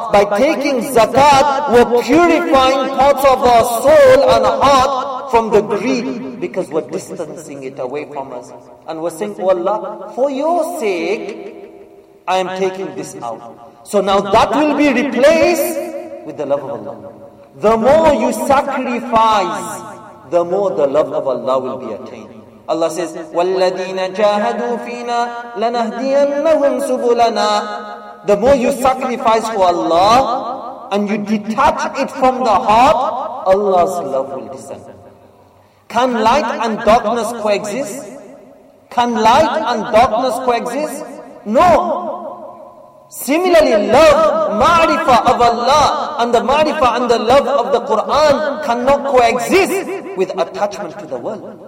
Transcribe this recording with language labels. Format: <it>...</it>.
<en>By taking zakat, we're purifying parts of our soul and heart from the greed, because we're distancing it away from us. And we're saying, oh Allah, for your sake, I am taking this out. So now that will be replaced with the love of Allah. The more you sacrifice, the more the love of Allah will be attained. Allah says,</en> <ar>وَالَّذِينَ جَاهَدُوا فِينَا لَنَهْدِيَنَّهُمْ سُبُلَنَا.</ar> <en>The more you sacrifice for Allah and you detach it from the heart, Allah's love will descend. Can light and darkness coexist? Can light and darkness coexist? No. Similarly, love, ma'rifah of Allah and the ma'rifah and the love of the Quran cannot coexist with attachment to the world.</en>